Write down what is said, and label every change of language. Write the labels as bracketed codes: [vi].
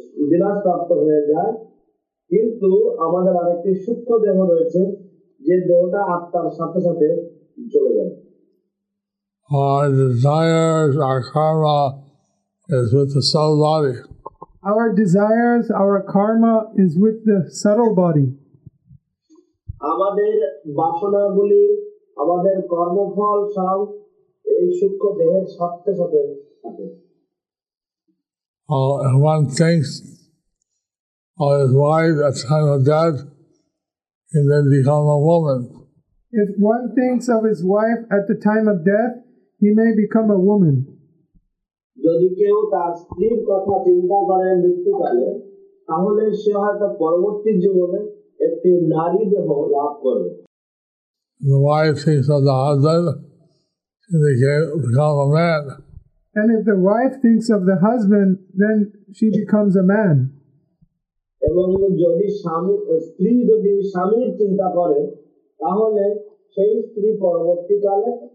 [bn] বিনাশ প্রাপ্ত হয়ে যায়, কিন্তু আমাদের আরেকটি সূক্ষ্ম দেহ রয়েছে যে দেহটা আত্মার সাথে সাথে চলে যায়। [en] Our desires, our karma is with the subtle body. Our desires, our karma is with the subtle body. [bn] আমাদের বাসনাগুলি আমাদের কর্মফল সব এই সূক্ষ্ম দেহের সাথে সাথে থাকে। [en] One thinks of his wife at time of death and then become a woman. If one thinks of his wife at the time of death, he may become a woman. [bn] যদি কেউ তার স্ত্রীর কথা চিন্তা করে মৃত্যুকালে, তাহলে সে হয়তো পরবর্তী জীবনে একটি নারী দেহ লাভ করবে। [en] The wife thinks of the husband, she may become a man. And if the wife thinks of the husband, then she becomes a man. [bn] এবং যদি স্ত্রী যদি স্বামীর চিন্তা করে, তাহলে সেই স্ত্রী পরবর্তীকালে